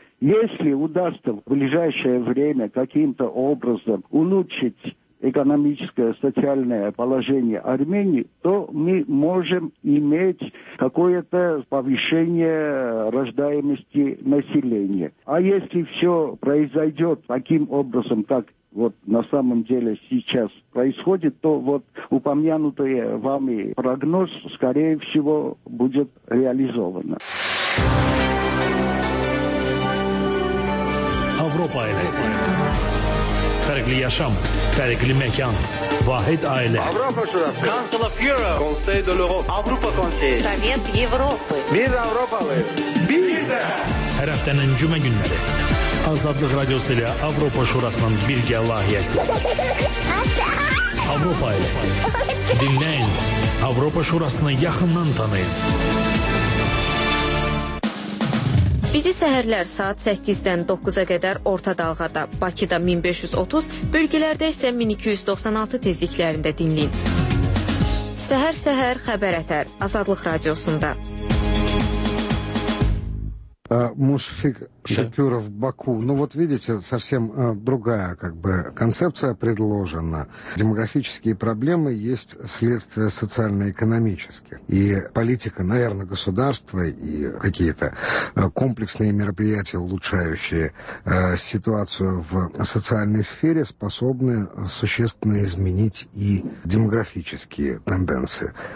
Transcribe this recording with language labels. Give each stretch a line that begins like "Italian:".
Russian: Если удастся в ближайшее время каким-то образом улучшить экономическое, социальное положение Армении, то мы можем иметь какое-то повышение рождаемости населения. А если все произойдет таким образом, как вот на самом деле сейчас происходит, то вот упомянутый вами прогноз, скорее всего, будет реализован.
Azerbaijani: Европа Fərqli yaşam, fərqli məkan, vahid ailə. Avropa Şurası.
English: Council of Europe.
French: Conseil de l'Europe.
Azerbaijani: Avropa Konseyi.
Russian: Совет Европы.
Azerbaijani: Biz Avropalıyız. Biz de. Hər həftənin cümə günləri. Azadlıq Radiosu ilə Avropa Şurasının birgə layihəsi. Avropa ailəsi. Dinləyin. Avropa Şurasını yaxından tanıyın. Bizi səhərlər saat 8-dən 9-a qədər orta dalğada, Bakıda 1530, bölgələrdə isə 1296 tezliklərində dinləyin. Səhər-səhər Xəbər Ətər, Azadlıq Radiosunda.
Russian: Мусфик Шакюров, Баку. Ну вот видите, совсем другая как бы концепция предложена. Демографические проблемы есть следствие социально-экономических. И политика, наверное, государства и какие-то комплексные мероприятия, улучшающие ситуацию в социальной сфере, способны существенно изменить и демографические тенденции.